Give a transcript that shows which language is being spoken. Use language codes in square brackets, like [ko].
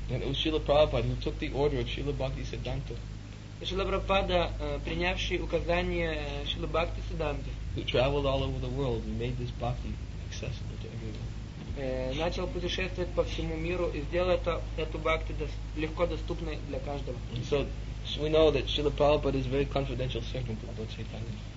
[en] And it was Śrīla Prabhupāda who took the order of Śrīla Bhakti Siddhanta. [ru] Śrīla Prabhupāda, принявший указание Śrīla Bhakti Siddhanta, [en] who traveled all over the world and made this bhakti accessible to everyone. [ru] Начал путешествовать по всему миру и сделал эту бхакти легко доступной для каждого. [en] So we know that Śrīla Prabhupāda is a very confidential servant of Lord Chaitanya.